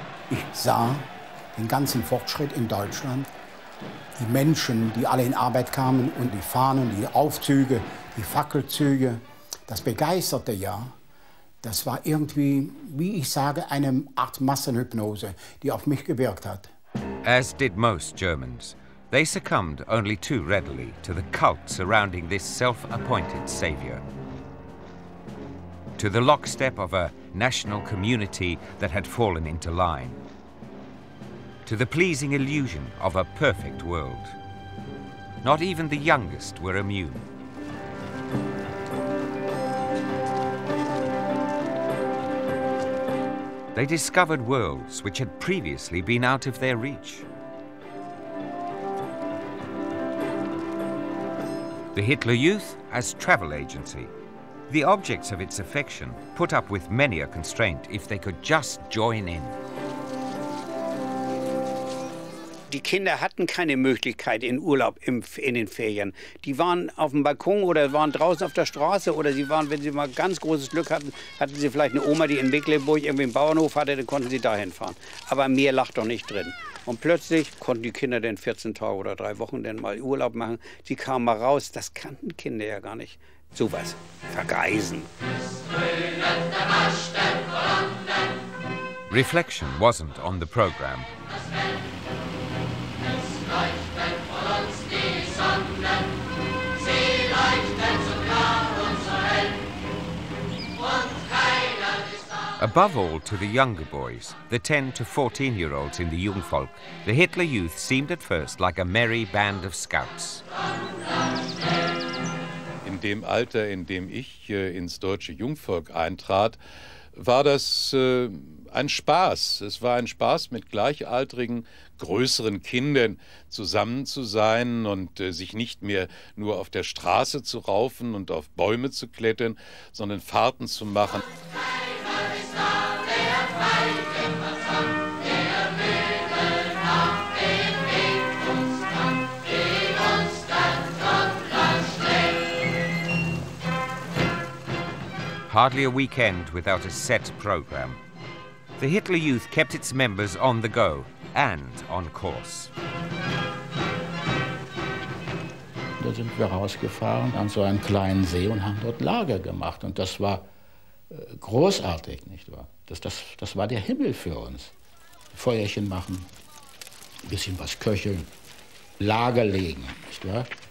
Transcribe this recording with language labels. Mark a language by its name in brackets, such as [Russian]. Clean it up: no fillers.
[German] Ich sah den ganzen Fortschritt in Deutschland, die Menschen, die alle in Arbeit kamen und die Fahnen, die Aufzüge, die Fackelzüge, das begeisterte ja. Das war irgendwie, wie ich sage, eine Art Massenhypnose, die auf mich gewirkt hat. [English] As did most Germans, they succumbed only too readily to the cult surrounding this self-appointed savior. To the lockstep of a national community that had fallen into line. To the pleasing illusion of a perfect world. Not even the youngest were immune. They discovered worlds which had previously been out of their reach. The Hitler Youth as travel agency. The objects of its affection put up with many a constraint if they could just join in. [German] Die Kinder hatten keine Möglichkeit in Urlaub in den Ferien. Die waren auf dem Balkon oder waren draußen auf der Straße. Oder sie waren, wenn sie mal ganz großes Glück hatten, hatten sie vielleicht eine Oma, die in Mecklenburg irgendwie einen Bauernhof hatte, dann konnten sie dahin fahren. Aber mehr lag doch nicht drin. Und plötzlich konnten die Kinder dann 14 Tage oder 3 Wochen dann mal Urlaub machen. Sie kamen mal raus. Das kannten Kinder ja gar nicht. Sowas. Vergreisen. [English] Reflection wasn't on the program. Above all to the younger boys, the 10 to 14-year-olds in the Jungvolk, the Hitler Youth seemed at first like a merry band of scouts. [German] In dem Alter, in dem ich ins deutsche Jungvolk eintrat, war das ein Spaß. Es war ein Spaß, mit gleichaltrigen, größeren Kindern zusammen zu sein und sich nicht mehr nur auf der Straße zu raufen und auf Bäume zu klettern, sondern Fahrten zu machen. [English] Hardly a weekend without a set program. The Hitler Youth kept its members on the go and on course. [German] Da sind wir rausgefahren an so einen kleinen See und haben dort Lager gemacht. Und das war großartig, nicht wahr? Das war der Himmel für uns. Feuerchen machen, ein bisschen was köcheln, Lager legen, nicht wahr?